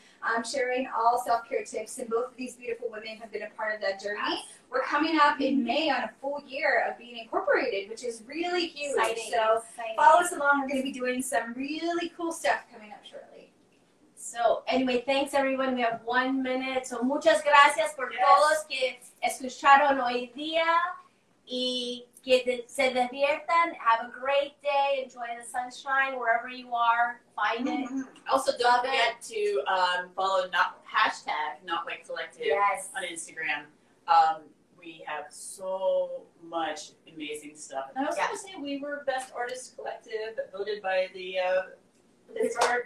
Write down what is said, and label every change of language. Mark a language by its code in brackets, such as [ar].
[en] I'm sharing all self-care tips, and both of these beautiful women have been a part of that journey. Yes. We're coming up in May on a full year of being incorporated, which is really huge. Exciting. So follow us along. We're going to be doing some really cool stuff coming up shortly. So anyway, thanks everyone. We have 1 minute. [es] So muchas gracias por todos que escucharon hoy día y que se diviertan. [en] Have a great day. Enjoy the sunshine wherever you are. Find it. Also, don't forget to follow hashtag Not White Collective on Instagram. We have so much amazing stuff. And I also want to say we were Best Artist Collective voted by the Pittsburgh